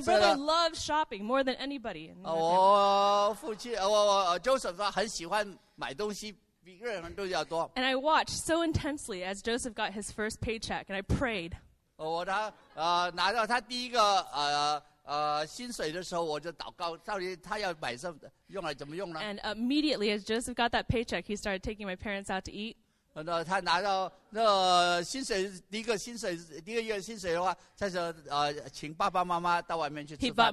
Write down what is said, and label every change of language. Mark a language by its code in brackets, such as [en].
[en] Because my brother loves shopping more than anybody. [zh] 我父亲，我 Joseph 很喜欢买东西。 [en] And I watched so intensely as Joseph got his first paycheck, and I prayed. [zh] 我拿到他第一个薪水的时候，我就祷告，到底他要买什么，用来怎么用呢？ [en] And immediately, as Joseph got that paycheck, he started taking my parents out to eat. [zh] 那他拿到那薪水第一个薪水的话，他说请爸爸妈妈到外面去吃饭。